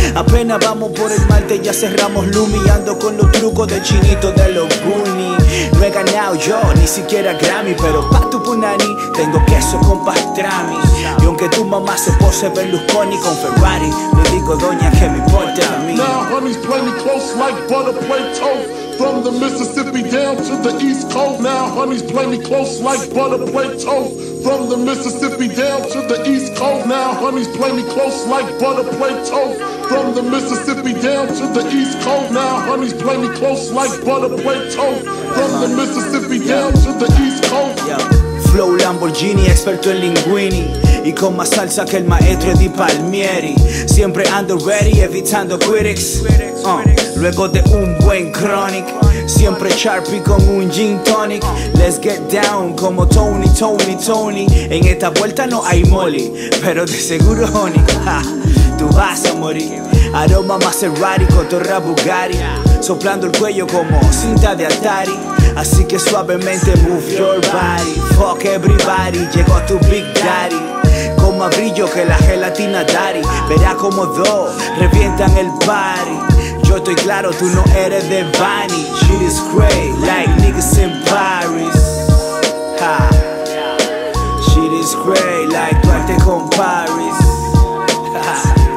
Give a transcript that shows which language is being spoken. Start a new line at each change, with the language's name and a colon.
Spanish: Apenas vamos por el malte, ya cerramos Lumi. Ando con los trucos de chinito de los Goonies. No he ganado yo, ni siquiera Grammy. Pero pa' tu punani, tengo queso con pastrami. Y aunque tu mamá se pose Berlusconi con Ferrari, le digo doña que me importa a mí.
English: Now honey's play me close like butter play toast. From the Mississippi down to the East Coast. Now honeys play me close like butter play toast. From the Mississippi down to the East Coast. Now honeys play me close like butter play toast. From the Mississippi down to the East Coast. Now honeys play me close like butter play toast. From the Mississippi down to the East Coast.
Spanish: Flow Lamborghini, experto en linguini. Y con más salsa que el maestro Di Palmieri. Siempre ando ready, evitando critics. luego de un buen chronic. Siempre Sharpie con un gin tonic. Let's get down como Tony, Tony, Tony. En esta vuelta no hay Molly, pero de seguro honey, ja, tú vas a morir. Aroma más errático, torra Bugatti, soplando el cuello como cinta de Atari.
English: Así que suavemente move your body. Fuck everybody, llegó tu big daddy.
Spanish: Con más brillo que la gelatina daddy. Verá como dos revientan el party. Yo estoy claro, tú no eres de Bunny.
English: Shit is great, like niggas in Paris, ha. Shit is great, like Duarte con Paris, ha.